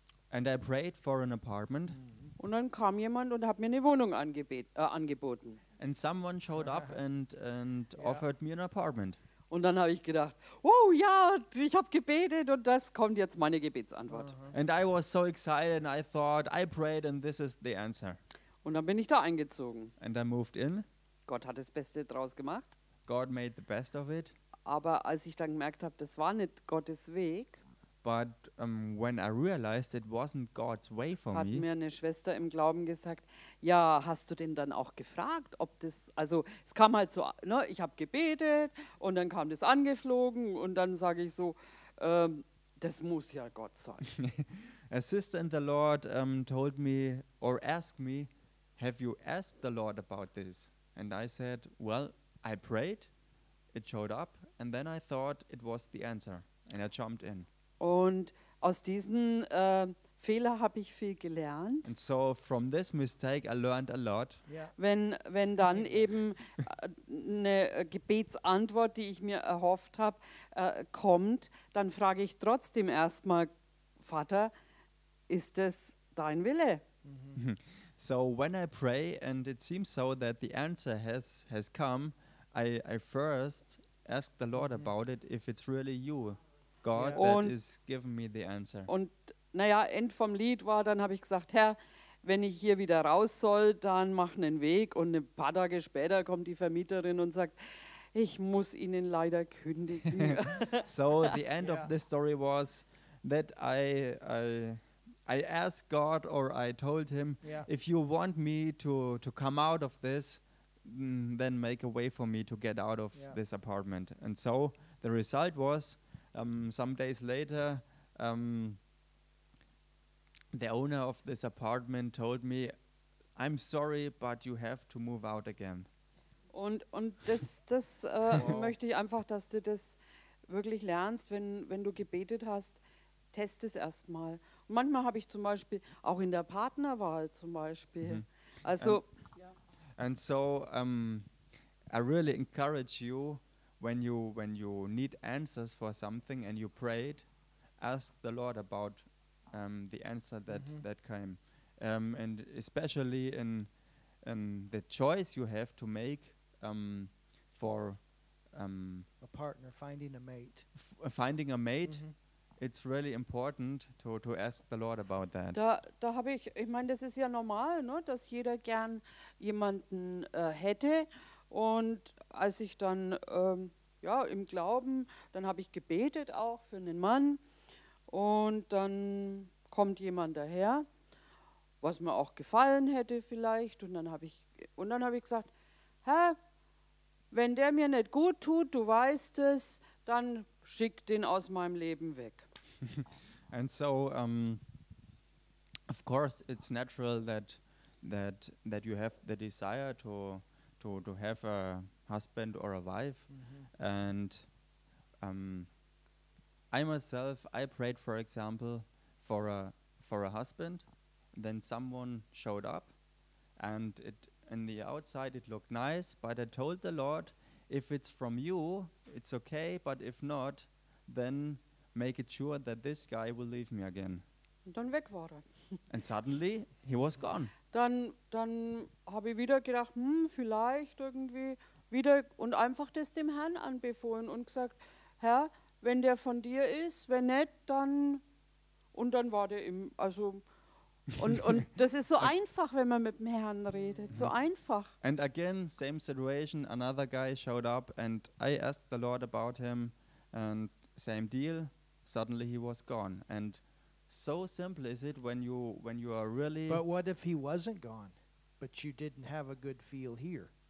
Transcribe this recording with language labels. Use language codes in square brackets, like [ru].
[en] And I prayed for an apartment. Mhm. [de] Und dann kam jemand und hat mir eine Wohnung angeboten. [en] And someone showed up and yeah. offered me an apartment. [de] Und dann habe ich gedacht, oh ja, ich habe gebetet und das kommt jetzt meine Gebetsantwort. Uh-huh. [en] And I was so excited and I thought, I prayed and this is the answer. [de] Und dann bin ich da eingezogen. [en] And I moved in. [de] Gott hat das Beste draus gemacht. [en] God made the best of it. [de] Aber als ich dann gemerkt habe, das war nicht Gottes Weg. [en] But when I realized it wasn't God's way for [de] hat [en] me. [de] Hat mir eine Schwester im Glauben gesagt, ja, hast du denn dann auch gefragt, ob das, also es kam halt so, ne, ich habe gebetet und dann kam das angeflogen und dann sage ich so, das muss ja Gott sein. [en] A sister in the Lord told me or asked me, have you asked the Lord about this? And I said, well, I prayed, it showed up and then I thought it was the answer and I jumped in. [de] Und aus diesen Fehler habe ich viel gelernt. [en] And so from this mistake I learned a lot. Yeah. [de] Wenn dann eben eine Gebetsantwort, die ich mir erhofft habe, kommt, dann frage ich trotzdem erstmal, Vater, ist das dein Wille? Mm-hmm. [en] So when I pray and it seems so that the answer has come, I first ask the Lord about it, if it's really you. God yeah. that is giving me the answer. [de] Und naja, End vom Lied war, dann habe ich gesagt, Herr, wenn ich hier wieder raus soll, dann mach einen Weg. Und ein paar Tage später kommt die Vermieterin und sagt, ich muss Ihnen leider kündigen. [en] So the end of the story was that I asked God or I told him, if you want me to come out of this, then make a way for me to get out of this apartment. And so the result was, some days later, the owner of this apartment told me, I'm sorry, but you have to move out again. [de] Und das möchte ich einfach, dass du das wirklich lernst, wenn du gebetet hast, test es erstmal. Manchmal habe ich zum Beispiel, auch in der Partnerwahl zum Beispiel, also. [en] And so, I really encourage you, When you need answers for something and you prayed, ask the Lord about the answer that came. And especially in the choice you have to make for a partner, finding a mate. Finding a mate, it's really important to ask the Lord about that. [de] Da habe ich, ich meine, das ist ja normal, ne, dass jeder gern jemanden hätte. Und als ich dann ja, im Glauben, dann habe ich gebetet auch für einen Mann und dann kommt jemand daher, was mir auch gefallen hätte vielleicht und dann habe ich gesagt, hä, wenn der mir nicht gut tut, du weißt es, dann schick den aus meinem Leben weg. [en] And so, of course, it's natural that you have the desire to have a husband or a wife, and I myself, I prayed, for example, for a husband. Then someone showed up, and it in the outside it looked nice. But I told the Lord, if it's from you, it's okay. But if not, then make it sure that this guy will leave me again. [de] Und dann weg war er. [en] And suddenly he was gone. [de] Dann habe ich wieder gedacht, vielleicht irgendwie. Wieder und einfach das dem Herrn anbefohlen und gesagt, Herr, wenn der von dir ist, wenn nicht, dann, und dann war der im, also, und das ist so einfach, wenn man mit dem Herrn redet, so einfach. [en] And again, same situation, another guy showed up and I asked the Lord about him and same deal, suddenly he was gone. And so simple is it when you are really. But what if he wasn't gone, but you didn't have a good feel here?